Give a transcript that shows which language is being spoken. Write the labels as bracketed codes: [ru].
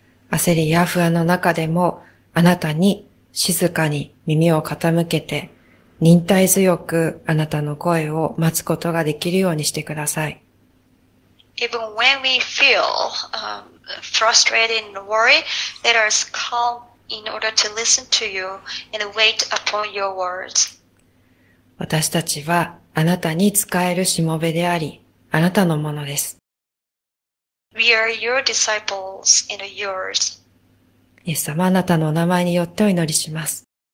[ja] 焦りや不安の中でも、あなたに静かに耳を傾けて、忍耐強くあなたの声を待つことができるようにしてください。 [en] Even when we feel, frustrated and worried, let us calm in order to listen to you and wait upon your words. [ja] 私たちはあなたに使えるしもべであり、あなたのものです。 [en] We are your disciples and yours. [ja] イエス様、あなたのお名前によってお祈りします。